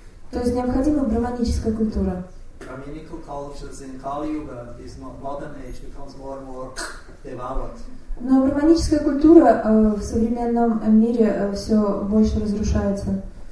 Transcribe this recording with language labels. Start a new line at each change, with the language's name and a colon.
Russian: То есть необходима брахманическая культура.
English: Brahminical cultures in Kali Yuga, this modern age, becomes more and more devoured.
Russian: Но брахманическая культура в современном мире все больше разрушается.